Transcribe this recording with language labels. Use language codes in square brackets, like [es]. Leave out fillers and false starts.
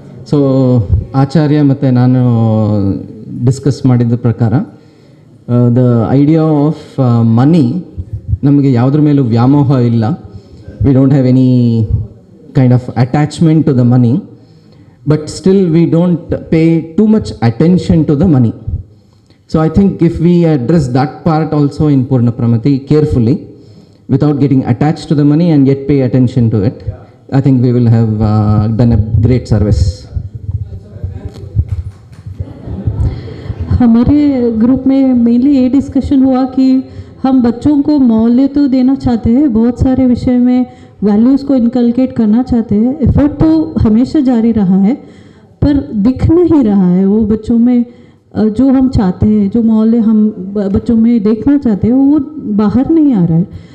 [kn] So ಆಚಾರ್ಯ ಮತ್ತು ನಾನು discuss ಮಾಡಿದ ಪ್ರಕಾರ [en] the idea of money, [kn] ನಮಗೆ ಯಾವುದ್ರ ಮೇಲೂ ವ್ಯಾಮೋಹ ಇಲ್ಲ. [en] We don't have any kind of attachment to the money, but still we don't pay too much attention to the money. So I think if we address that part also in Purna Pramati carefully, without getting attached to the money and yet pay attention to it, I think we will have done a great service. [hi] हमारे group में mainly ये discussion हुआ कि हम बच्चों को मौल्य तो देना चाहते हैं, बहुत सारे विषय में वैल्यूज़ को इनकलकेट करना चाहते हैं, एफर्ट तो हमेशा जारी रहा है, पर दिख नहीं रहा है वो बच्चों में जो हम चाहते हैं, जो मौल्य हम बच्चों में देखना चाहते हैं वो बाहर नहीं आ रहा है.